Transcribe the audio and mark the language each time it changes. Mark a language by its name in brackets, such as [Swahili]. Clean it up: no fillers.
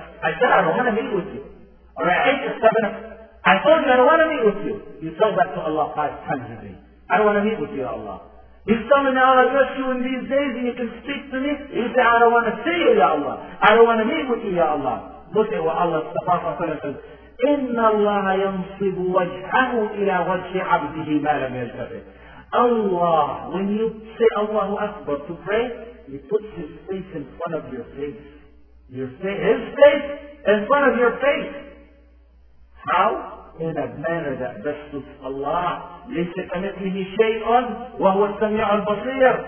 [English] I said, I don't want to meet with you. All right, 8 or 7 o'clock. I told you I don't want to meet with you. You tell that to Allah 5 times a day. I don't want to meet with you, Allah. You tell me now I'll address you in these days and you can speak to me. You say, I don't want to see you, Ya Allah. I don't want to meet with you, Ya Allah. Look at what Allah, the Prophet says, [Arabic] إِنَّ اللَّهَ يَنْصِبُ وَجْهَهُ إِلَى وَجْهِ عَبْدِهِ مَا لَمْ يَلْتَفِ. [English] Allah, when you say Allahu Akbar to pray, He puts His face in front of your face. His face in front of your face. How? In a manner that best suits Allah. [Arabic] لَيْسَ كَمِثْلِهِ شَيْءٌ وَهُوَ السَّمِيعُ الْبَصِيرُ.